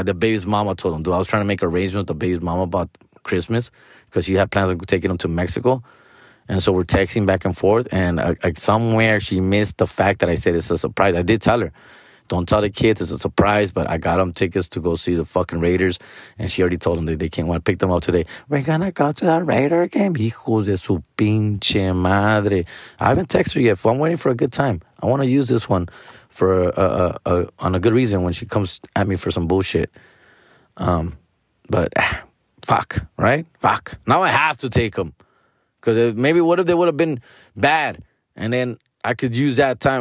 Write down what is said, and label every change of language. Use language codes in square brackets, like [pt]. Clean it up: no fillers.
[en] The baby's mama told them, dude. I was trying to make arrangements with the baby's mama about Christmas because she had plans of taking them to Mexico. And so we're texting back and forth. And somewhere she missed the fact that I said it's a surprise. I did tell her. Don't tell the kids, it's a surprise, but I got them tickets to go see the fucking Raiders, and she already told them that they can't want to pick them up today. We're going to go to the Raider game. [es] Hijos de su pinche madre. [en] I haven't texted her yet. I'm waiting for a good time. I want to use this one for on a good reason when she comes at me for some bullshit. But fuck, right? Fuck. Now I have to take them. Because maybe what if they would have been bad? And then I could use that time.